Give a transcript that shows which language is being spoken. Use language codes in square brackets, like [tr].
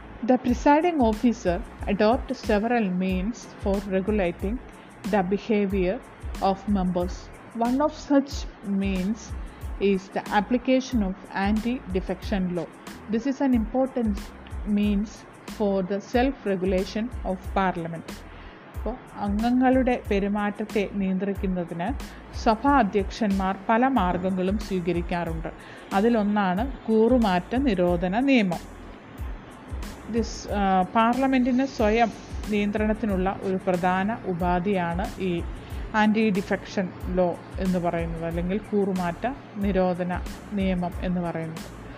[en] The presiding officer adopt several means for regulating the behaviour of members. One of such means is the application of anti-defection law. This is an important means for the self-regulation of parliament. [ml] അപ്പോൾ അംഗങ്ങളുടെ പെരുമാറ്റത്തെ നിയന്ത്രിക്കുന്നതിന് സഭാ അധ്യക്ഷന്മാർ പല മാർഗങ്ങളും സ്വീകരിക്കാറുണ്ട്. അതിലൊന്നാണ് കൂറുമാറ്റ നിരോധന നിയമം. ദിസ് പാർലമെൻറ്റിന് സ്വയം നിയന്ത്രണത്തിനുള്ള ഒരു പ്രധാന ഉപാധിയാണ് ഈ ആൻറ്റി ഡിഫെക്ഷൻ ലോ എന്ന് പറയുന്നത്, അല്ലെങ്കിൽ കൂറുമാറ്റ നിരോധന നിയമം എന്ന് പറയുന്നത്.